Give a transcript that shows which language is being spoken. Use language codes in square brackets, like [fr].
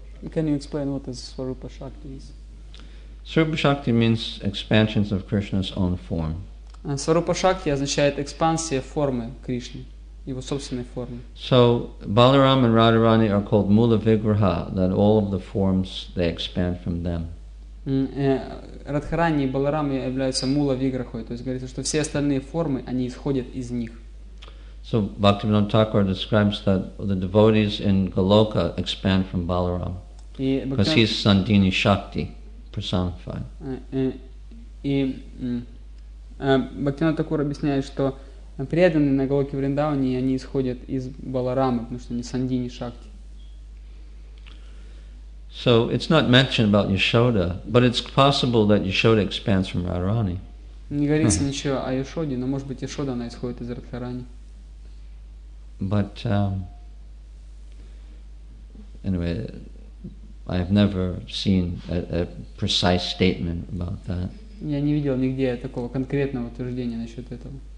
[en] Can you explain what is Swarupa Shakti is? Swarupa Shakti means expansion of Krishna's own form. [ru] Swarupa Shakti означает экспансия формы Кришны, его собственной формы. [en] So Balarama and Radharani are called Mula Vigraha, that all of the forms, they expand from them. [ru] Радхарани и Баларама являются Мула Виграхой, то есть говорится, что все остальные формы, они исходят из них. [en] So Bhaktivinoda Thakur describes that the devotees in Goloka expand from Balaram because he's Sandini Shakti personified. [ru] Bhaktivinoda Thakur объясняет, что преданные на Голоке Вриндаване они исходят из Баларамы, потому что они Сандини Шакти. [en] So it's not mentioned about Yashoda, but it's possible that Yashoda expands from Radharani. [ru] Не говорится ничего о Яшоде, но может быть Яшода она исходит из Радхарани. [en] But anyway, I've never seen a precise statement about that. [ru] Я не видел нигде такого конкретного утверждения насчет этого.